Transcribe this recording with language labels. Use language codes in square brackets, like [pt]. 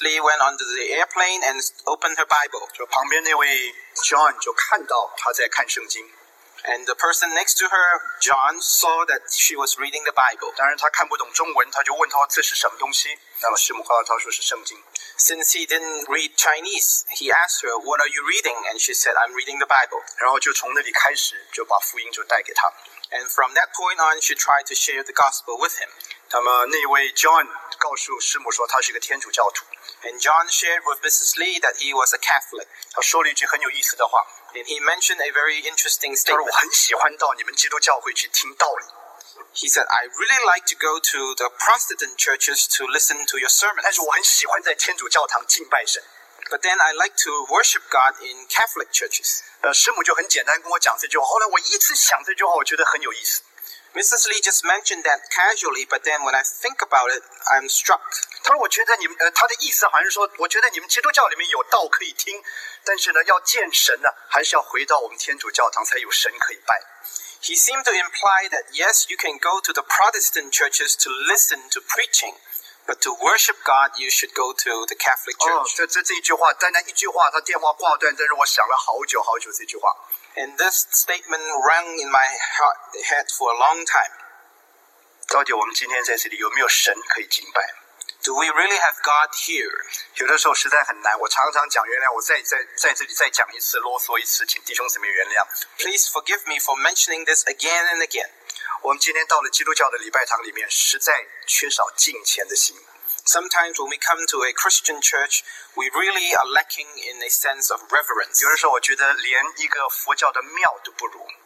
[en] Lee went onto the airplane and opened her Bible. [zh] 就旁边那位 John 就看到他在看圣经。 [en] And the person next to her, John, saw that she was reading the Bible. [zh] 当然，他看不懂中文，他就问他这是什么东西。那么师母告诉他说是圣经。 [en] Since he didn't read Chinese, he asked her, "What are you reading?" And she said, "I'm reading the Bible." [zh] 然后就从那里开始，就把福音就带给他。 [en] And from that point on, she tried to share the gospel with him. [zh] 那么那位 John 告诉师母说他是个天主教徒。 [en] And John shared with Mrs. Lee that he was a Catholic. [zh] 他说了一句很有意思的话。 [en] And he mentioned a very interesting statement. [zh] 他说我很喜欢到你们基督教会去听道理。 [en] He said, "I really like to go to the Protestant churches to listen to your sermon." [zh] 但是我很喜欢在天主教堂敬拜神。 [en] But then I like to worship God in Catholic churches. [zh] 师母就很简单跟我讲这句话。后来我一直想这句话，我觉得很有意思。 [en] Mrs. Lee just mentioned that casually, but then when I think about it, I'm struck. [zh] 他说我觉得你们他的意思好像是说，我觉得你们基督教里面有道可以听，但是呢，要见神呢，还是要回到我们天主教堂才有神可以拜。 [en] He seemed to imply that yes, you can go to the Protestant churches to listen to preaching, but to worship God, you should go to the Catholic church. [zh] 这一句话，单单一句话，他电话挂断，但是我想了好久好久这句话。 [en] And this statement rang in my head for a long time. [zh] 到底我们今天在这里有没有神可以敬拜？ [en] Do we really have God here? [zh] 有的时候实在很难。我常常讲，原来我在这里再讲一次，啰嗦一次，请弟兄姊妹原谅。 [en] Please forgive me for mentioning this again and again. [zh] 我们今天到了基督教的礼拜堂里面，实在缺少敬虔的心。 [en] Sometimes when we come to a Christian church, we really are lacking in a sense of reverence. [zh] 有的时候我觉得连一个佛教的庙都不如。